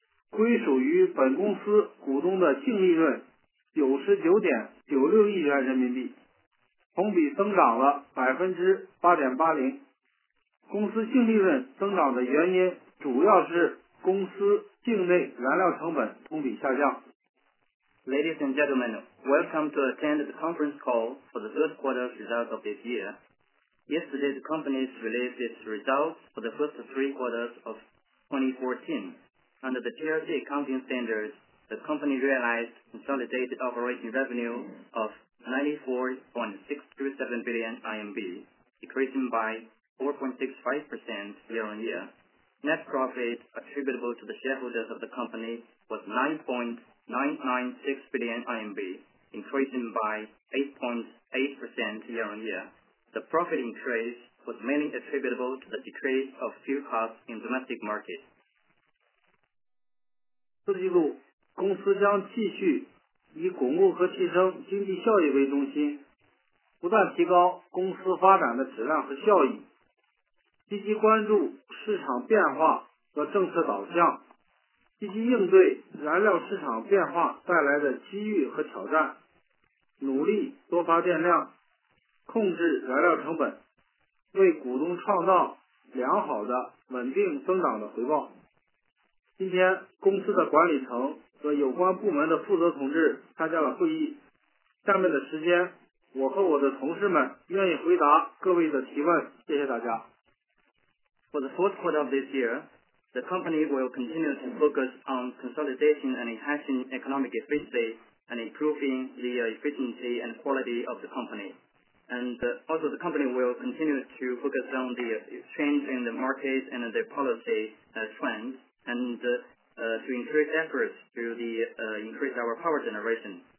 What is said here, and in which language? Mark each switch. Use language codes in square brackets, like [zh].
[zh] 归属于本公司股东的净利润 99.96 亿元人民币，同比增长了 8.80%。公司净利润增长的原因主要是公司境内燃料成本同比下降。 [en] Ladies and gentlemen, welcome to attend the conference call for the third quarter results of this year. Yesterday, the company released its results for the first three quarters of 2014. Under the TRC accounting standards, the company realized consolidated operating revenue of 94.627 billion RMB, decreasing by 4.65% year-on-year. Net profit attributable to the shareholders of the company was 9.996 billion RMB, increasing by 8.8% year-on-year. The profit increase was mainly attributable to the decrease of fuel costs in domestic markets. [zh] 四季度，公司将继续以巩固和提升经济效益为中心，不断提高公司发展的质量和效益。积极关注市场变化和政策导向，积极应对燃料市场变化带来的机遇和挑战，努力多发电量，控制燃料成本，为股东创造良好的稳定增长的回报。今天，公司的管理层和有关部门的负责同志参加了会议。下面的时间，我和我的同事们愿意回答各位的提问，谢谢大家。 [en] For the fourth quarter of this year, the company will continue to focus on consolidation and enhancing economic efficiency and improving the efficiency and quality of the company. And also the company will continue to focus on the change in the market and the policy trends and to increase efforts to the increase our power generation.